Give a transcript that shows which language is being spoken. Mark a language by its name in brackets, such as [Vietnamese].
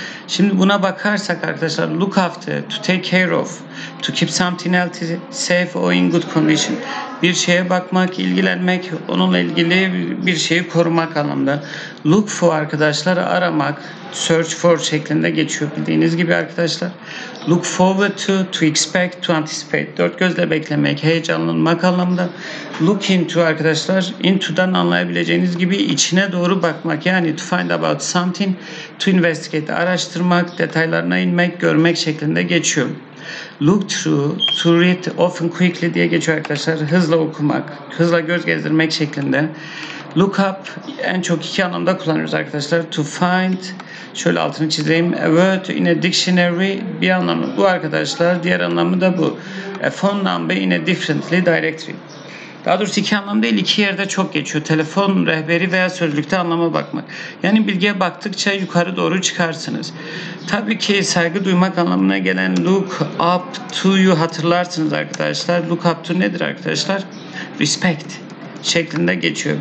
[Turkish] Şimdi buna bakarsak arkadaşlar, [English] look after, to take care of, to keep something healthy, safe or in good condition. [Turkish] Bir şeye bakmak, ilgilenmek, onunla ilgili bir şeyi korumak anlamda. Look for arkadaşlar, aramak, search for şeklinde geçiyor bildiğiniz gibi arkadaşlar. [English] Look forward to, to expect, to anticipate, [Turkish] dört gözle beklemek, heyecanlanmak anlamda. Look into arkadaşlar, into'dan anlayabileceğiniz gibi içine doğru bakmak, yani [English] to find about something, to investigate, [Turkish] araştırmak, detaylarına inmek, görmek şeklinde geçiyor. [English] Look through, to read, often quickly [Turkish] diye geçiyor arkadaşlar. Hızla okumak, hızla göz gezdirmek şeklinde. Look up, en çok iki anlamda kullanıyoruz arkadaşlar. [English] To find, [Turkish] şöyle altını çizeyim, [English] a word in a dictionary, [Turkish] bir anlamı bu arkadaşlar. Diğer anlamı da bu. [English] A phone number in a differently directory. [Turkish] Daha doğrusu iki anlam değil, iki yerde çok geçiyor. Telefon rehberi veya sözlükte anlama bakmak. Yani bilgiye baktıkça yukarı doğru çıkarsınız. Tabii ki saygı duymak anlamına gelen look up to'yu hatırlarsınız arkadaşlar. Look up to nedir arkadaşlar? Respect şeklinde geçiyor.